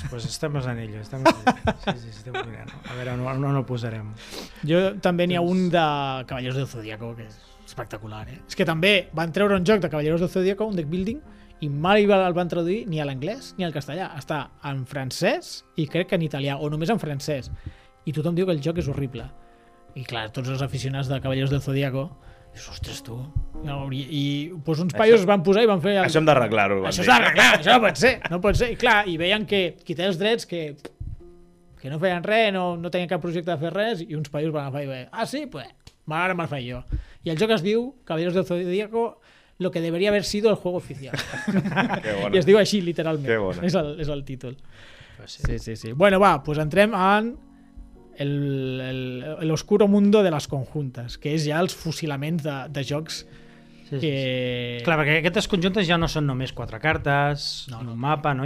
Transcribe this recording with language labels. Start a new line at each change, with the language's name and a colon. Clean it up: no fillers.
Catalan: Pues estem en ello, estem en ello. Sí, sí, estem mirant. A veure, no, no posarem. Jo també n'hi ha un de Cavallers del Zodíaco, que és espectacular, eh? És que també van treure un joc de Cavallers del Zodíaco, un deck building, i mai el van traduir ni a l'anglès ni al castellà. Està en francès i crec que en italià, o només en francès. I tothom diu que el joc és horrible. I clar, tots els aficionats de Cavallers del Zodíaco, ostres, tu... No, i pues, uns paios es van posar i van fer... Això hem d'arreglar-ho. Això s'ha d'arreglar, això no pot ser. No pot ser. I clar, i veien que qui té els drets, que no feien res, no tenien cap projecte de fer res, i uns paios van agafar i veien, ah, sí? Pues, ara me'l faig jo. I el joc es diu
Spanish: Cavallers del Zodíaco, lo que debería haber sido el juego oficial.
Catalan: I es diu així, literalment. És el títol. Pues sí. Sí, sí, sí. Bueno, va, pues entrem en
Spanish: el oscuro mundo de las conjuntas,
Catalan: que és ja els fusilaments de jocs. Sí, que... sí. Clar, perquè aquestes conjuntes ja no són només quatre cartes, no, no. Un mapa, no?